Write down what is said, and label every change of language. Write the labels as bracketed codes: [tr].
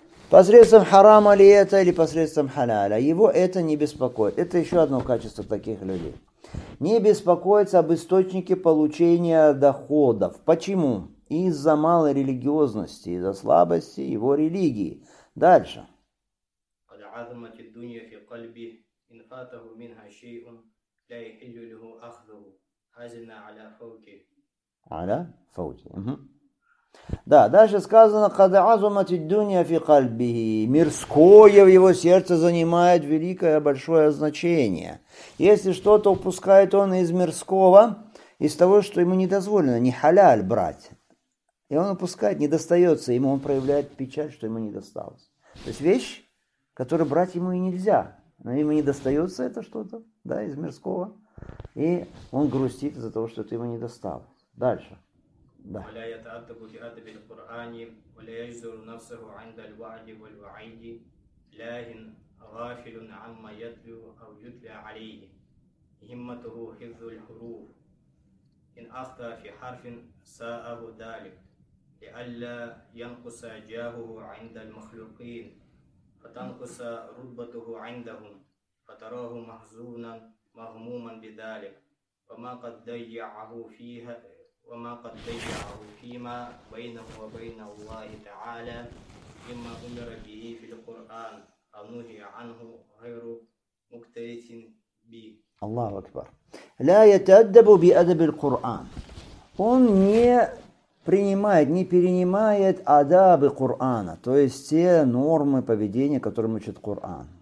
[ru] Посредством харама ли это, или посредством халяля. Его это не беспокоит. Это еще одно качество таких людей. Не беспокоиться об источнике получения доходов. Почему? Из-за малой религиозности, из-за слабости его религии. Дальше. [ar] «Ля عظمة الدنيا في قلبه إن فاته منها شيء لا يحل له أخذه حزن على فوقه. على فوقه. [ru] Да, дальше сказано, когда [ar] азумати дунья фи кальбихи, [ru] мирское в его сердце занимает великое большое значение. Если что-то упускает он из мирского, из того, что ему не дозволено, не халяль брать, и он упускает, не достается ему, он проявляет печаль, что ему не досталось. То есть вещь, которую брать ему и нельзя, но ему не достается это что-то, да, из мирского, и он грустит из-за того, что это ему не досталось. Дальше. ولا يتعذب بأدب القرآن ولا يجزر نفسه عند الوعد والوعيد لاهن غافل عما يتلو أو يتلى عليه همته حفظ الحروف إن أخطأ في حرف ساءه ذلك لئلا ينقص جاهه عند المخلوقين فتنقص رتبته عندهم فتراه محزونا مغموما بذلك وما قد ضيعه فيها وما قد ضيعه فيما بينه وبين الله تعالى مما أمر به في القرآن أو نهي عنه غير مكترث به. [ar] الله أكبر. لا يتأدب بأدب القرآن. [ru] Он не принимает, не перенимает адабы Корана, то есть те нормы поведения, которым учит Коран.